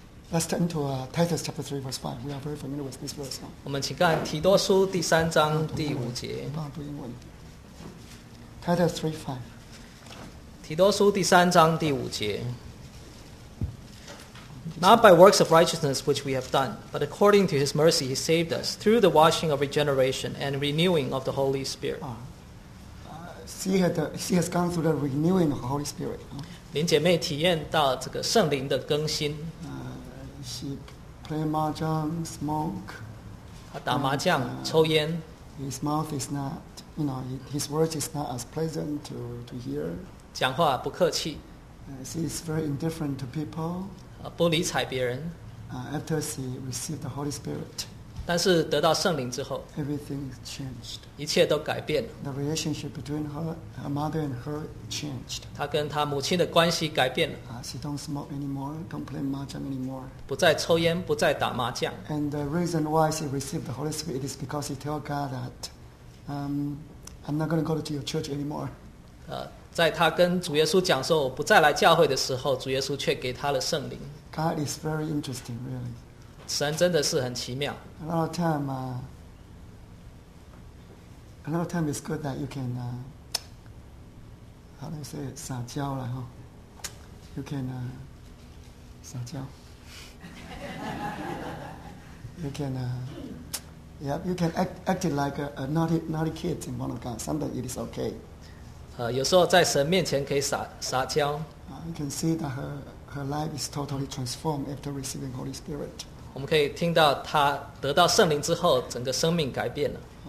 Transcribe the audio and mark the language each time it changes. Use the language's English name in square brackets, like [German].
[English] Let's turn to Titus chapter 3 verse 5. We are very familiar with this verse. [Chinese] 我们请看提多书第三章第五节。 [English] Titus 3:5. [Chinese] 提多书第三章第五节。 [English] Not by works of righteousness which we have done, but according to his mercy he saved us through the washing of regeneration and renewing of the Holy Spirit. She has gone through the renewing of the Holy Spirit. [Chinese] 林姐妹体验到这个圣灵的更新。 [English] She play mahjong, smoke. [Chinese] 她打麻将，抽烟。 [English] His mouth is not, you know, his words is not as pleasant to hear. [Chinese] 讲话不客气。 [English] She is very indifferent to people. [Chinese] 不理睬别人。 [English] After she received the Holy Spirit. [Chinese] 但是得到圣灵之后 [English] ，everything changed， [Chinese] 一切都改变了。 [English] The relationship between her, her mother and her changed. [Chinese] 她跟她母亲的关系改变了。 [English] She don't smoke anymore, don't play mahjong anymore. [Chinese] 不再抽烟，不再打麻将。 [English] And the reason why she received the Holy Spirit is because she told God that, I'm not going to go to your church anymore. [Chinese] 在她跟主耶稣讲说我不再来教会的时候，主耶稣却给她了圣灵。 [English] God is very interesting, really. [Chinese] 神真的是很奇妙。 [English] A lot of time, a lot of time is good that you can, how do you say, [Chinese] 撒娇了哈。 [English] You can, [Chinese] 撒娇。 [English] You can, yeah, you can act like a naughty kid in front of God. Sometimes it is okay. [Chinese] 有时候在神面前可以撒娇。 [English] You can see that her life is totally transformed after receiving Holy Spirit. [Chinese] 我们可以听到他得到圣灵之后，整个生命改变了。